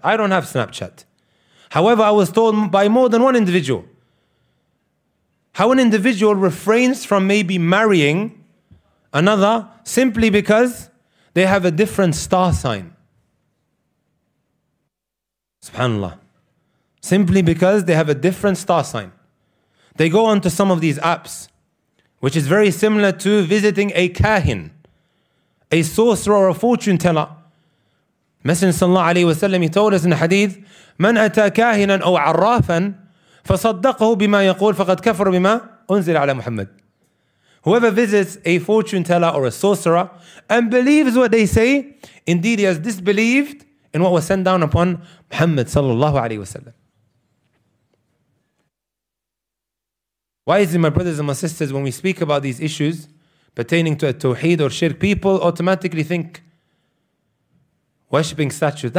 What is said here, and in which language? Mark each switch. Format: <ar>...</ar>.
<en>I don't have Snapchat. However, I was told by more than one individual how an individual refrains from maybe marrying another simply because they have a different star sign. SubhanAllah. Simply because they have a different star sign. They go onto some of these apps, which is very similar to visiting a kahin, a sorcerer or a fortune teller. Messenger sallallahu alayhi wa sallam, he told us in the hadith,</en> <ar>من أتى كاهنا أو عرافا فصدقه بما يقول فقد كفر بما أنزل على محمد.</ar> <en>Whoever visits a fortune teller or a sorcerer and believes what they say, indeed he has disbelieved in what was sent down upon Muhammad sallallahu alayhi wa sallam. Why is it, my brothers and my sisters, when we speak about these issues pertaining to a tawheed or shirk, people automatically think worshipping statues?</en>